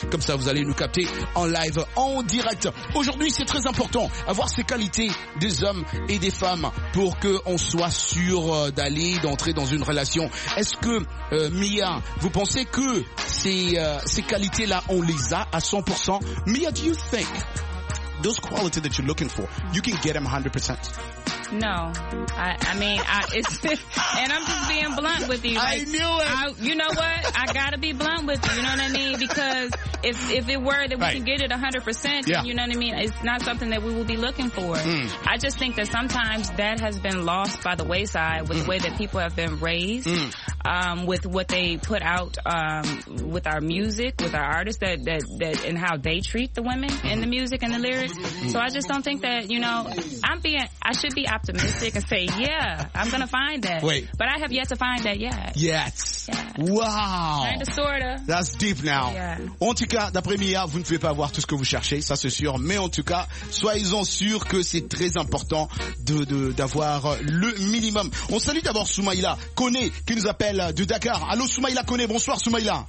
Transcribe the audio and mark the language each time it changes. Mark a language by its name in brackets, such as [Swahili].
[French] Comme ça, vous allez nous capter en live, en direct. Aujourd'hui, c'est très important avoir ces qualités des hommes et des femmes pour qu'on soit sûr d'aller, d'entrer dans une relation. Est-ce que, Mia, vous pensez que ces qualités-là, on les a à 100%? [English] Mia, do you think those qualities that you're looking for, you can get them 100%? No, I mean, I'm just being blunt with you. Like, I knew it. You know what? I gotta be blunt with you. You know what I mean? Because if it were that we right. can get it 100%, yeah. you know what I mean? It's not something that we will be looking for. Mm. I just think that sometimes that has been lost by the wayside with mm. the way that people have been raised, mm. With what they put out, with our music, with our artists that, and how they treat the women mm. in the music and the lyrics. Mm. So I just don't think that, you know, I should be optimistic and say, yeah, I'm gonna find that. Wait. But I have yet to find that yet. Yet. Yeah. Wow. Kinda, sorta. That's deep now. Yeah. [French] En tout cas, d'après Mia, vous ne pouvez pas avoir tout ce que vous cherchez, ça c'est sûr. Mais en tout cas, soyez-en sûrs que c'est très important d'avoir le minimum. On salue d'abord Soumaïla Koné qui nous appelle de Dakar. Allô Soumaïla Koné, bonsoir Soumaïla.